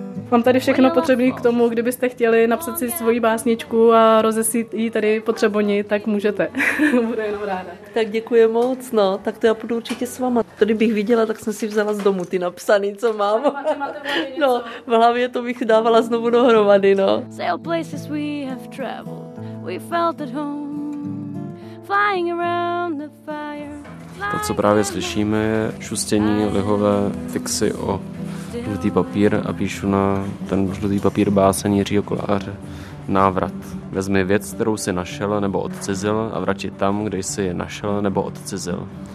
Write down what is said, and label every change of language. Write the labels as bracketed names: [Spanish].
[Czech] Mám tady všechno potřebné k tomu, kdybyste chtěli napsat si svoji básničku a rozesít ji tady po Třeboni, tak můžete. Bude jenom ráda. Tak děkuji moc, no, tak to já půjdu určitě s váma. Tady bych viděla, tak jsem si vzala z domu ty napsaný, co mám. No, v hlavě to bych dávala znovu dohromady, no. [English] Sail places we have traveled, we felt at home, flying around the fire. [Czech] To, co právě slyšíme, je šustění lihové fixy o žlutý papír a píšu na ten žlutý papír báseň Jiřího Koláře Návrat. Vezmi věc, kterou jsi našel nebo odcizil a vrať ji tam, kde jsi je našel nebo odcizil.